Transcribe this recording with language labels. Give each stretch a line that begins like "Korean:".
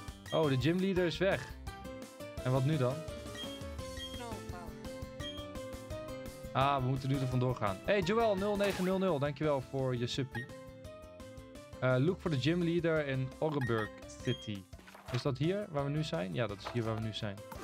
Dutch: Oh, de gymleader is weg. En wat nu dan? Ah, we moeten nu er vandoor gaan. Hey, Joel 0900, dankjewel voor je suppie.
English: Look for the gymleader in Orenburg City.
Dutch: Is dat hier waar we nu zijn? Ja, dat is hier waar we nu zijn.